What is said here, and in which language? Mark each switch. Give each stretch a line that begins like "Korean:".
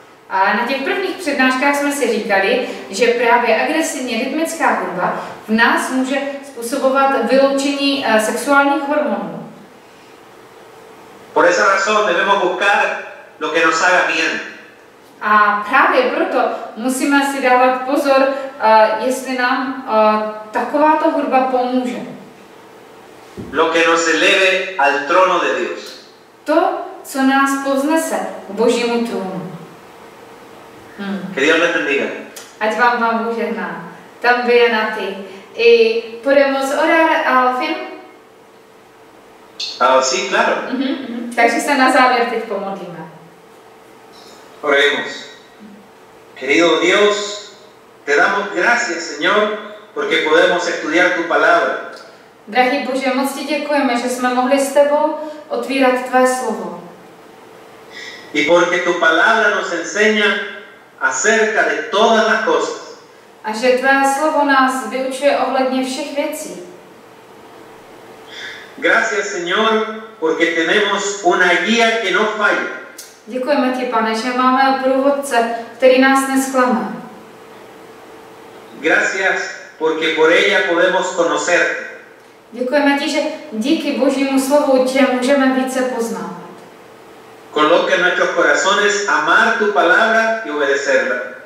Czech: A na těch prvních přednáškách jsme si říkali, že právě agresivně rytmická hudba v nás může způsobovat vyloučení sexuálních hormonů.
Spanish: Por esa razón debemos buscar lo que nos haga bien.
Czech: A právě proto musíme si dávat pozor, jestli nám takováto hudba pomůže.
Spanish: Lo que nos eleve al trono de Dios.
Czech: To, co nás povznese k Božímu trůnu.
Spanish: Que Dios les bendiga.
Czech: Ať vám Pán Bůh žehná. Tam vy a na ty.
Spanish: I podemos orar al fin? Sí, claro.
Czech: Takže se na závěr teď pomodlíme.
Spanish: Oremos. Querido Dios, te damos gracias, Señor, porque podemos estudiar tu palabra.
Czech: Drahý Bože, moc ti děkujeme, že jsme mohli s tebou otvírat tvé slovo.
Spanish: Y porque tu palabra nos enseña acerca de todas las cosas.
Czech: A že tvé slovo nás vyučuje ohledně všech věcí.
Spanish: Gracias, Señor, porque tenemos una guía que no falla.
Czech: Děkujeme ti, Pane, že máme průvodce, který nás nesklame.
Spanish: Gracias, porque por ella podemos conocerte.
Czech: Děkujeme ti, že díky Božímu slovu tě můžeme více poznat.
Spanish: Coloque en nuestros corazones amar tu palabra y obedecerla.